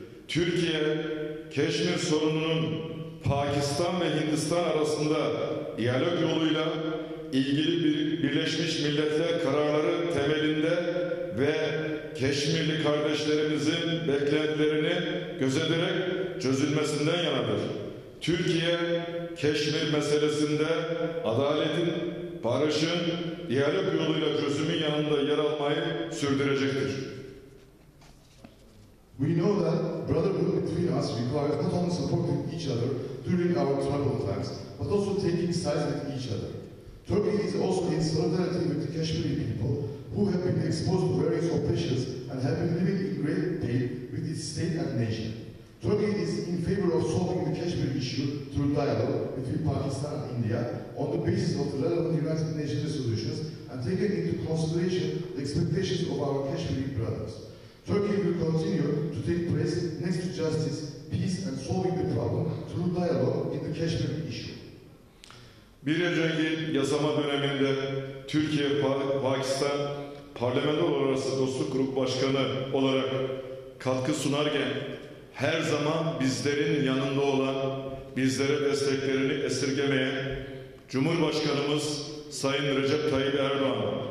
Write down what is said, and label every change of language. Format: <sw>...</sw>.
<tr>Türkiye, Keşmir sorununun Pakistan ve Hindistan arasında diyalog yoluyla ilgili Birleşmiş Milletler kararları temelinde ve Keşmirli kardeşlerimizin beklentilerini gözeterek çözülmesinden yanadır. Türkiye, Keşmir meselesinde adaletin, barışın, diyalog yoluyla çözümün yanında yer almayı sürdürecektir.</tr> <en>We know that brotherhood between us requires not only supporting each other during our troubled times, but also taking sides with each other. Turkey is also in solidarity with the Kashmiri people who have been exposed to various oppressions and have been living in great pain with its state and nation. Turkey is in favor of solving the Kashmir issue through dialogue between Pakistan and India on the basis of the relevant United Nations resolutions and taking into consideration the expectations of our Kashmiri brothers. Turkey will continue to take place next to justice, peace and solving the problem through dialogue in the Kashmir issue.</en> <tr>1 Ocak'ın yasama döneminde Türkiye-Pakistan Parlamenter Arası Dostluk Grup Başkanı olarak katkı sunarken her zaman bizlerin yanında olan, bizlere desteklerini esirgemeyen Cumhurbaşkanımız Sayın Recep Tayyip Erdoğan,</tr>